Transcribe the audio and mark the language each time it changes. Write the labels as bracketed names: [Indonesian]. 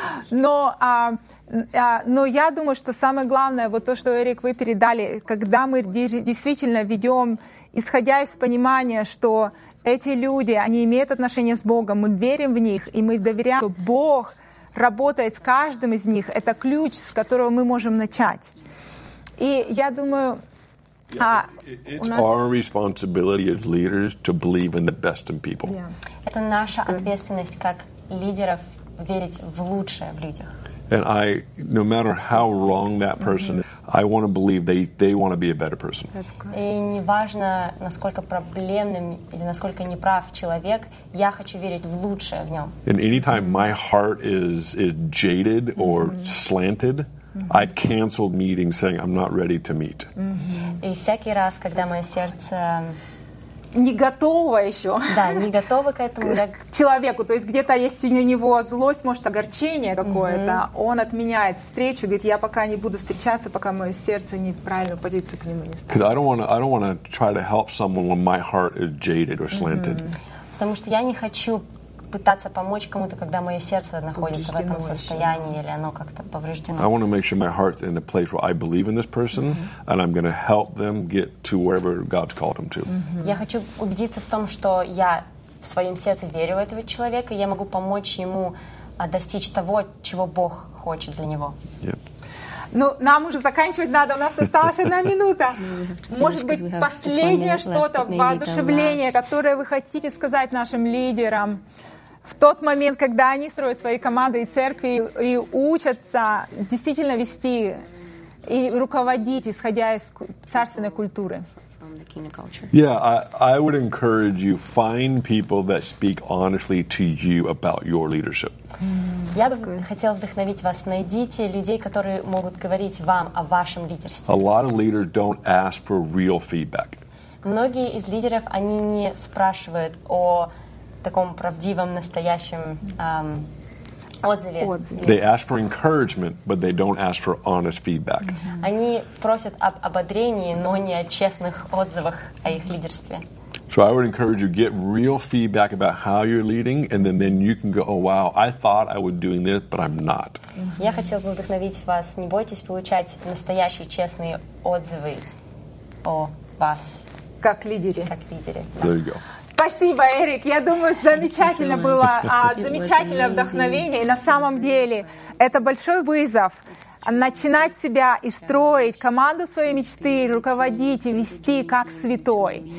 [Russian] Но я думаю, что самое главное, вот то, что, Эрик, вы передали, когда мы действительно ведем, исходя из понимания, что эти люди, они имеют отношение с Богом, мы верим в них, и мы доверяем, что Бог работает с каждым из них, это ключ, с которого мы можем начать. И я думаю... [English] It's our responsibility as leaders to believe in the best in people. [Russian] Это наша ответственность как лидеров верить в лучшее в людях. [English] And I, no matter how wrong that person is, I want to believe they want to be a better person. [Russian] И не важно, насколько проблемным или насколько неправ человек, я хочу верить в лучшее в нем. [English] And anytime my heart is jaded or slanted, I've canceled meetings saying I'm not ready to meet. [Russian] И всякий раз, когда мое сердце не готово еще. Да, не готово к этому. К человеку. То есть где-то есть у него злость, может, огорчение какое-то. Он отменяет встречу, говорит, я пока не буду встречаться, пока мое сердце не в правильную позицию к нему не ставит. [English] I don't wanna try to help someone when my heart is jaded or slanted. [Russian] Потому что я не хочу пытаться помочь кому-то, когда мое сердце находится в этом состоянии, или оно как-то повреждено. [English] I want to make sure my heart is in a place where I believe in this person, and I'm going to help them get to wherever God's called them to. [Russian] Я хочу убедиться в том, что я в своем сердце верю в этого человека, и я могу помочь ему достичь того, чего Бог хочет для него. Ну, нам уже заканчивать надо, у нас осталась одна минута. Может быть, последнее что-то, воодушевление, которое вы хотите сказать нашим лидерам, в тот момент, когда они строят свои команды и церкви и учатся действительно вести и руководить, исходя из царственной культуры. [English] Yeah, I would encourage you find people that speak honestly to you about your leadership. [Russian] Я бы хотела вдохновить вас, найдите людей, которые могут говорить вам о вашем лидерстве. [English] A lot of leaders don't ask for real feedback. [Russian] Многие из лидеров, они не спрашивают о таком правдивом, настоящем отзыве. [English] They ask for encouragement, but they don't ask for honest feedback. [Russian] Они просят об ободрении, но не о честных отзывах о их лидерстве. [English] So I would encourage you, get real feedback about how you're leading, and then you can go, oh, wow, I thought I was doing this, but I'm not. [Russian] Я хотела бы вдохновить вас, не бойтесь получать настоящие, честные отзывы о вас. Как лидере. Как лидере, да. [English] There you go. [Russian] Спасибо, Эрик. Я думаю, замечательно было, замечательное вдохновение. И на самом деле это большой вызов начинать себя и строить команду своей мечты, руководить и вести как святой.